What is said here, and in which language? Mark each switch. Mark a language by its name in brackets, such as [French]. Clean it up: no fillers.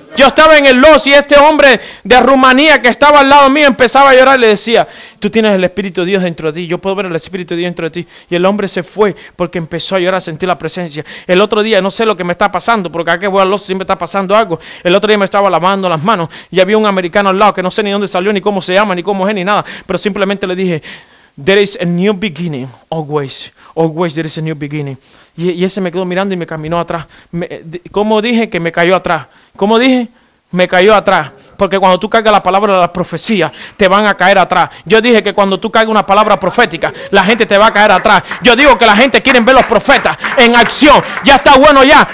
[Spanish] Yo estaba en el Los y este hombre de Rumanía que estaba al lado mío empezaba a llorar y le decía, tú tienes el Espíritu de Dios dentro de ti, yo puedo ver el Espíritu de Dios dentro de ti. Y el hombre se fue porque empezó a llorar, a sentir la presencia. El otro día, no sé lo que me está pasando, porque aquí voy al Los siempre está pasando algo. El otro día me estaba lavando las manos y había un americano al lado que no sé ni dónde salió, ni cómo se llama, ni cómo es, ni nada. Pero simplemente le dije, [English] there is a new beginning, always, always there is a new beginning. [Spanish] Y ese me quedó mirando y me caminó atrás. ¿Cómo dije? Que me cayó atrás. ¿Cómo dije? Me cayó atrás. Porque cuando tú cargas la palabra de la profecía, te van a caer atrás. Yo dije que cuando tú cargas una palabra profética, la gente te va a caer atrás. Yo digo que la gente quiere ver los profetas en acción. Ya está bueno ya.